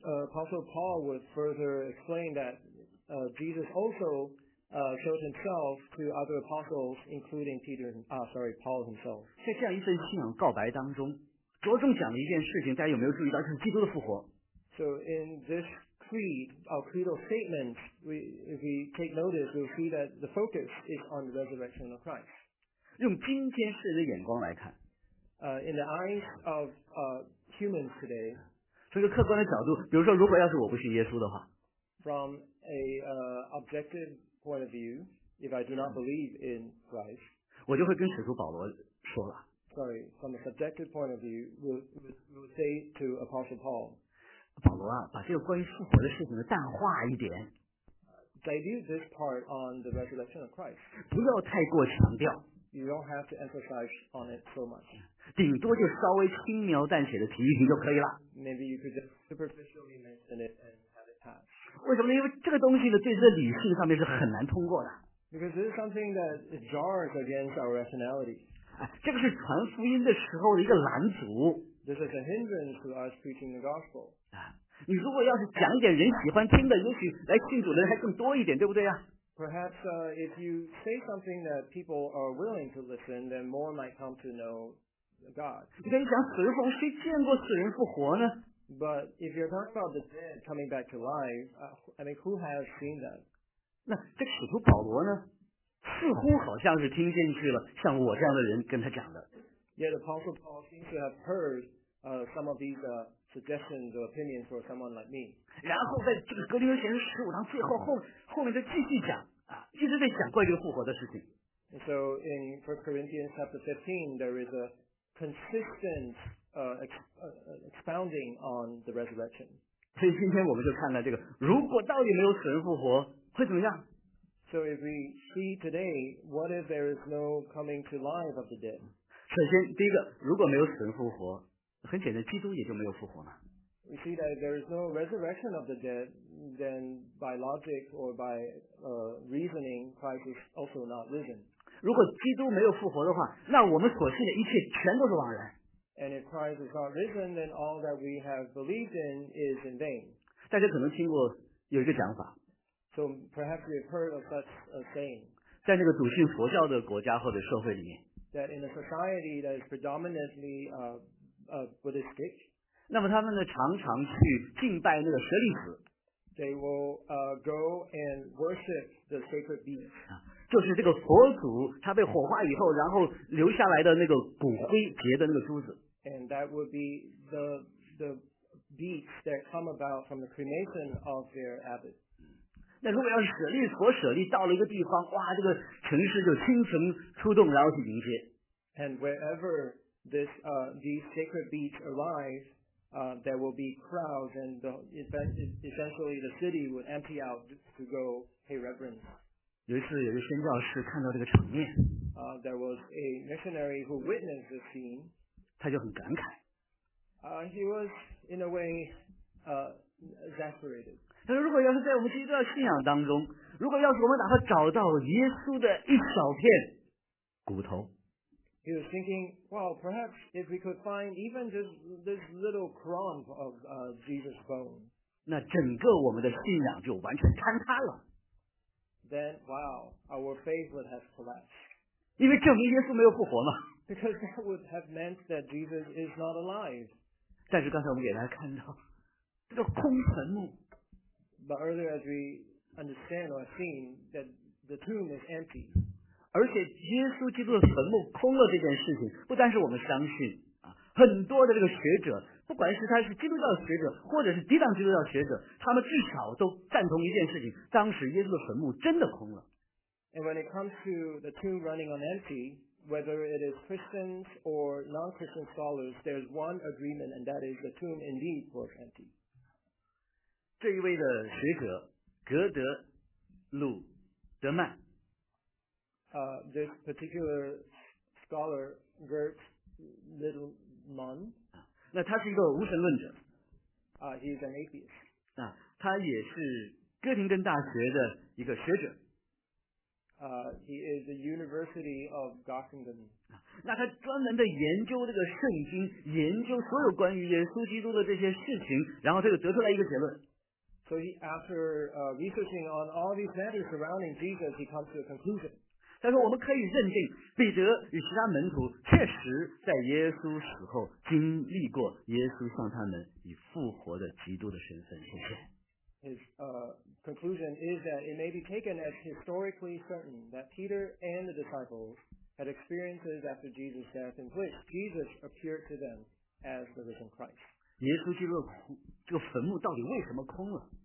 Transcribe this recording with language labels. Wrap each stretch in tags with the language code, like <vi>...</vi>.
<en>Apostle Paul would further explain that Jesus also showed himself to other apostles, including Paul himself.</en> <zh>在这样一份信仰告白当中，着重讲了一件事情，大家有没有注意到？就是基督的复活。</zh> <en>So in this creed, our creedal statement, if we take notice, we'll see that the focus is on the resurrection of Christ.</en> <zh>用今天世人的眼光来看。</zh> <en>In the eyes of humans today.</en> <zh>从一个客观的角度，比如说，如果要是我不信耶稣的话。</zh> <en>From a objective point of view, if I do not believe in Christ,</en> <zh>我就会跟使徒保罗说了。</zh> <en>Sorry, from a subjective point of view, we'll say to Apostle Paul,</en> <zh>保罗啊，把这个关于复活的事情呢淡化一点。</zh> <en>Dilute this part on the resurrection of Christ.</en> <zh>不要太过强调。</zh> <en>You don't have to emphasize on it so much.</en> <zh>顶多就稍微轻描淡写的提一提就可以了。</zh> <en>Maybe you could just superficially mention it and have it pass.</en> <zh>为什么呢？因为这个东西呢，对这个理性上面是很难通过的。</zh> <en>Because this is something that jars against our rationality.</en> <zh>这个是传福音的时候的一个拦阻。</zh> <en>This is a hindrance to us preaching the gospel.</en> <zh>你如果要是讲点人喜欢听的，也许来信主的人还更多一点，对不对啊？</zh> <en>Perhaps if you say something that people are willing to listen, then more might come to know God.</en> <zh>你跟你讲死人复活，谁见过死人复活呢？</zh> <en>But if you're talking about the dead coming back to life, who has seen that?</en> <zh>那这个使徒保罗呢，似乎好像是听进去了，像我这样的人跟他讲的。</zh> <en>Yet Apostle Paul seems to have heard some of these suggestions or opinions for someone like me.</en> <zh>然后在这个格林多前书十五章最后后面再继续讲啊，一直在讲关于这个复活的事情。</zh> <en>And so in 1 Corinthians chapter 15, there is a consistent expounding on the resurrection.</en> <zh>所以今天我们就看了这个，如果到底没有死人复活，会怎么样？</zh> <en>So if we see today, what if there is no coming to life of the dead?</en> <zh>首先，第一个，如果没有死人复活，很简单，基督也就没有复活嘛。</zh> <en>We see that if there is no resurrection of the dead, then by logic or by reasoning, Christ is also not risen.</en> <zh>如果基督没有复活的话，那我们所信的一切全都是枉然。</zh> <en>And if Christ is not risen, then all that we have believed in is in vain.</en> <zh>大家可能听过有一个讲法。</zh> <en>So perhaps you've heard of such a saying.</en> <zh>在那个笃信佛教的国家或者社会里面。</zh> <en>That in a society that is predominantly Buddhistic.</en> <zh>那么他们呢常常去敬拜那个舍利子。</zh> <en>They will go and worship the sacred beast.</en> <zh>就是这个佛祖他被火化以后然后留下来的那个骨灰结的那个珠子。</zh> <en>And that would be the beats that come about from the cremation of their abbot.</en> <zh>那如果要是舍利所舍利到了一个地方，哇，这个城市就倾城出动，然后去迎接。</zh> <en>And wherever this these sacred beats arrive, there will be crowds, and essentially the city would empty out to go pay reverence.</en> <zh>有一次有一个宣教士看到这个场面。</zh> <en>There was a missionary who witnessed the scene.</en> <zh>他就很感慨。</zh> <en>He was in a way exasperated.</en> <zh>他说如果要是在我们基督教信仰当中，如果要是我们哪怕找到耶稣的一小片骨头。</zh> <en>He was thinking, well, perhaps if we could find even this little crumb of Jesus' bone.</en> <zh>那整个我们的信仰就完全坍塌了。</zh> <en>Then, wow, our faith would have collapsed.</en> <zh>因为证明耶稣没有复活嘛。</zh> <en>Because that would have meant that Jesus is not alive.</en> <zh>但是刚才我们给大家看到，这叫空坟墓。</zh> <en>But earlier, as we understand or have seen, that the tomb is empty.</en> <zh>而且耶稣基督的坟墓空了这件事情，不单是我们相信啊，很多的这个学者，不管是他是基督教的学者，或者是抵挡基督教的学者，他们至少都赞同一件事情：当时耶稣的坟墓真的空了。</zh> <en>And when it comes to the tomb running on empty, whether it is Christians or non-Christian scholars, there's one agreement, and that is the tomb indeed was empty.</en> <zh>这一位的学者格德鲁德曼。</zh> <en>This particular scholar, Gert Littlemann,</en> <zh>那他是一个无神论者。</zh> <en>He's an atheist.</en> <zh>他也是哥廷根大学的一个学者。</zh> <en>He is the University of Göttingen.</en> <zh>那他专门的研究这个圣经，研究所有关于耶稣基督的这些事情，然后他就得出来一个结论。</zh> <en>So he, after researching on all these matters surrounding Jesus, he comes to a conclusion.</en> <zh>他说我们可以认定彼得与其他门徒确实在耶稣死后经历过耶稣向他们以复活的基督的身份出现。</zh> <en>His conclusion is that it may be taken as historically certain that Peter and the disciples had experiences after Jesus' death in which Jesus appeared to them as the risen Christ.</en> <zh>耶稣基督这个坟墓到底为什么空了？</zh>